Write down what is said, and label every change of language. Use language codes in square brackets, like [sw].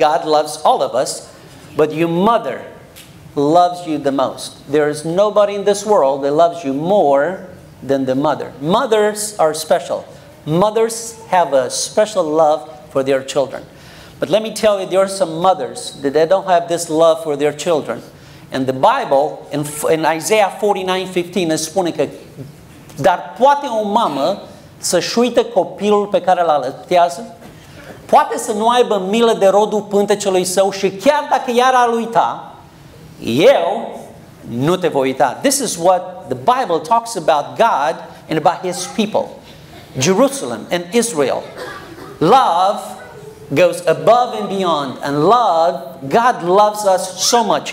[en] God loves all of us. But your mother loves you the most. There is nobody in this world that loves you more than the mother. Mothers are special. Mothers have a special love for their children. But let me tell you, there are some mothers that they don't have this love for their children. And the Bible, in Isaiah 49:15, it [ro] spune că dar poate o mamă să-și uite copilul pe care îl alăptează? Poate să nu aibă milă de rodul pântecelui său și chiar dacă iar ar uita, eu nu te voi uita. [en] This is what the Bible talks about God and about His people. Jerusalem and Israel. Love goes above and beyond, and love, God loves us so much.